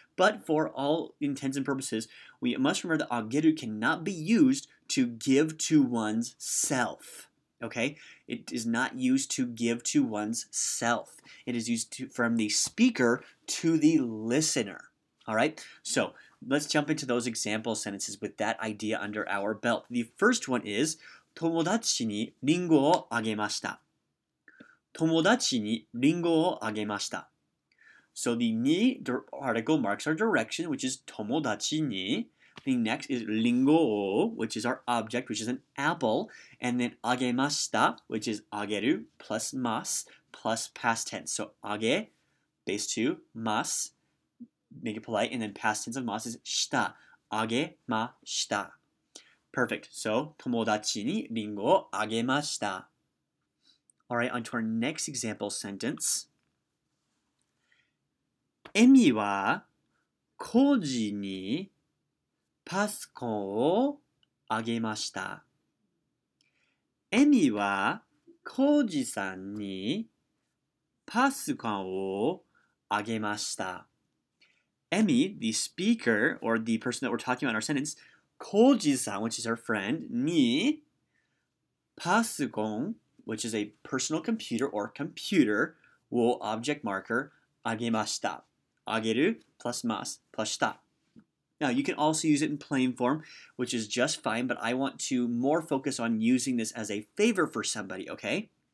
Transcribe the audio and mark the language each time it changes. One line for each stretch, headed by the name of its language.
English: But for all intents and purposes, we must remember that ageru cannot be used to give to one's self. Okay? It is not used to give to one's self. It is used from the speaker to the listener. All right? So let's jump into those example sentences with that idea under our belt. The first one is,
Japanese: 友達にリンゴをあげました。友達にリンゴをあげました。
English: So the ni article marks our direction, which is 友達に. The next is リンゴを, which is our object, which is an apple. And then あげました, which is あげる plus mas plus past tense. So あげ, base two, mas, make it polite, and then past tense of mas is shita, agemashita. Perfect.
Japanese: So, 友達にリンゴをあげました.
English: All right, on to our next example sentence.
Japanese: 恵美は工事にパソコンをあげました. 恵美は工事さんにパソコンをあげました.
English: Emmy, the speaker, or the person that we're talking about in our sentence, Koji-san, which is her friend, ni pasukon, which is a personal computer or computer, wo object marker, agemashita. Ageru plus mas plus shita. Now, you can also use it in plain form, which is just fine, but I want to more focus on using this as a favor for somebody, okay?